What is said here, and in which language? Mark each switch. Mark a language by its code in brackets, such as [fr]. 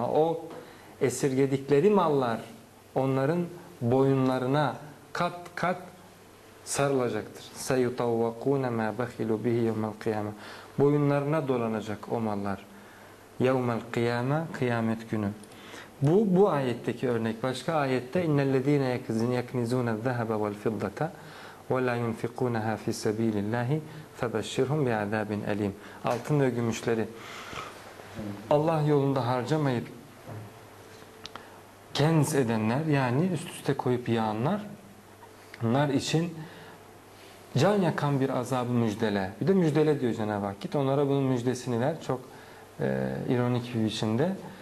[tr] O esirgedikleri mallar onların boyunlarına kat kat sarılacaktır. [ar] Seyutavvakûne mâ bahilû bihi yevmel kıyâme. [tr] Boyunlarına dolanacak o mallar. [ar] Yevmel kıyâme, [tr] kıyamet günü. Bu ayetteki örnek. Başka ayette [ar] innellezîne yeknizûne zâhebe vel fiddata وَلَا يُنْفِقُونَهَا فِي سَب۪يلِ اللّٰهِ فَبَشِّرْهُمْ بِعَذَابٍ اَل۪يمٍ. [tr] Altın ve gümüşleri Allah yolunda harcamayıp kenz edenler, yani üst üste koyup yağanlar, onlar için can yakan bir azabı müjdele. Bir de müjdele diyor Cenab-ı Hak. Git onlara bunun müjdesini ver. Çok ironik bir biçimde.